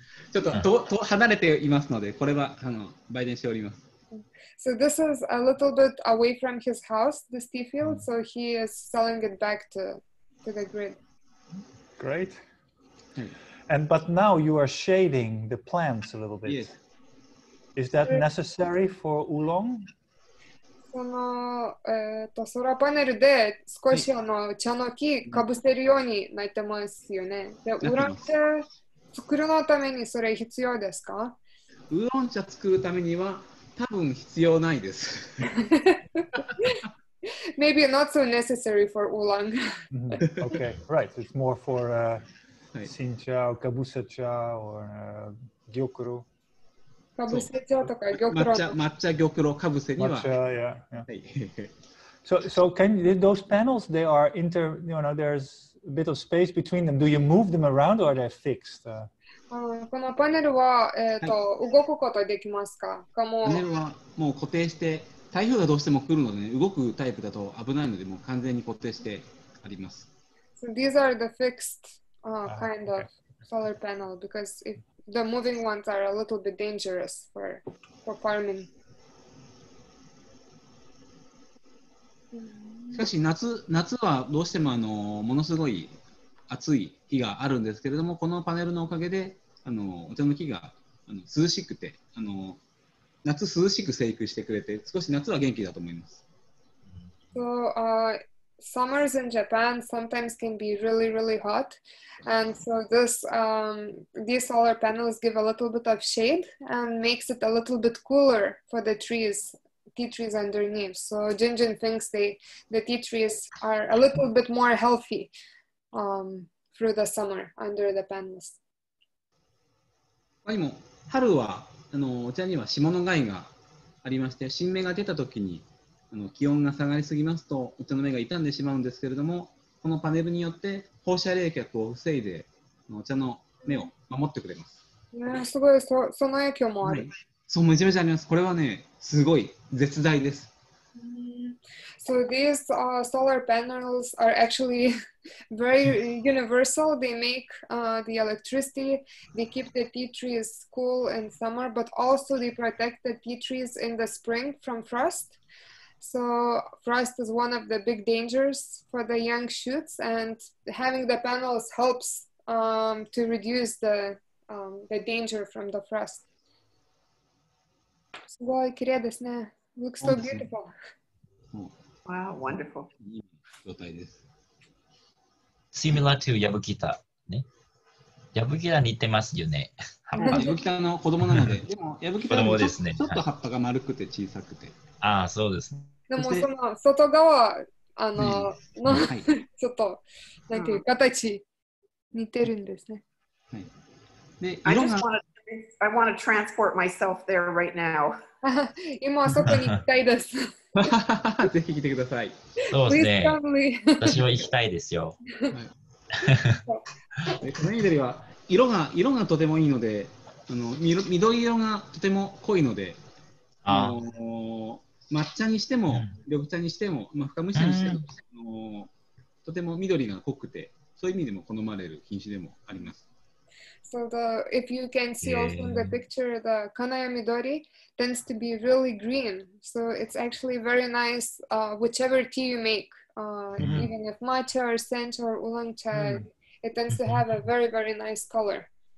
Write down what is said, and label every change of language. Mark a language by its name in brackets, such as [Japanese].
[Japanese] ちょっと離れていますので、これは売電しております。 [English] So this is a little bit away from his house, this tea field, so he is selling it back to the grid. Great. And but now you are shading the plants a little bit. Yes. Is that necessary for oolong? [Japanese] その、ソーラーパネルで少し茶の木かぶせるようになってますよね。で、ウランチャー作るのためにそれ必要ですか？ウーロン茶作るためには多分必要ないです。 [English] Maybe not so necessary for oolong. Okay, right. It's more for Sincha, kabusacha, or gyokuro. [Japanese] Kabusacha to ka gyokuro. Matcha gyokuro kabuse ni wa. [English] Matcha, yeah, yeah. So can those panels, they are inter, you know, there's a bit of space between them. Do you move them around or are they fixed? [Japanese] このパネルは、動くことできますか？パネルはもう固定して、台風がどうしても来るので、ね、動くタイプだと危ないので、もう完全に固定してあります。 [English] So、these are the fixed、kind of solar panel, because if the moving ones are a little bit dangerous for farming. [Japanese] しかし夏はどうしてもものすごい暑い日があるんですけれども、このパネルのおかげで、お茶の木が涼しくて、夏涼しく生育してくれて、少し夏は元気だと思います。 [English] So, summers in Japan sometimes can be really, really hot. And so this, these solar panels give a little bit of shade and makes it a little bit cooler for the trees, tea trees underneath. So Jinjin thinks the tea trees are a little bit more healthy. Through the summer under the panels. [Japanese] まあ、でも春はお茶には霜の害がありまして、新芽が出た時に気温が下がりすぎますとお茶の芽が傷んでしまうんですけれども、このパネルによって放射冷却を防いでお茶の芽を守ってくれます。ね、すごい その影響もある。はい、そうめちゃめちゃあります。これはね、すごい絶大です。 [English] So these solar panels are actually very universal. They make the electricity, they keep the tea trees cool in summer, but also they protect the tea trees in the spring from frost. So frost is one of the big dangers for the young shoots, and having the panels helps to reduce the danger from the frost. [Japanese] すごい綺麗ですね。 [English] Looks so beautiful. Wow, wonderful. Similar to Yabukita. Yabukita [Japanese] 似てますよね。 Yabukita の子供なので、でも Yabukita はちょっと葉っぱが丸くて小さくて。ああ、そうです。でもその外側、ちょっと、なんていう形、似てるんですね。 [English] I just want to transport myself there right now. [Japanese] 今はそこに行きたいです。ぜひ来てください。そうですね。私は行きたいですよ。この緑は色がとてもいいので、緑色がとても濃いので、抹茶にしても、緑茶にしても、まあ、深蒸しにしても、とても緑が濃くて、そういう意味でも好まれる品種でもあります。 [English] So the, if you can see also in the picture, the Kanaya Midori tends to be really green. So it's actually very nice, whichever tea you make, even if matcha or sencha or oolong cha, it tends to have a very, very nice color.